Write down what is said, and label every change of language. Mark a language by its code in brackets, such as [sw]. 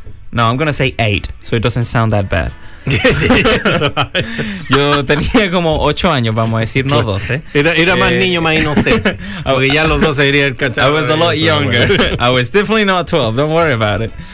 [en] No, I'm going to say 8, so it doesn't sound that bad. [es] Yo tenía como 8 años, vamos a decir, no 12. Era más niño, más inocente. Porque ya los 12 iría el cachado. [en] I was a lot younger. I was definitely not 12, don't worry about it.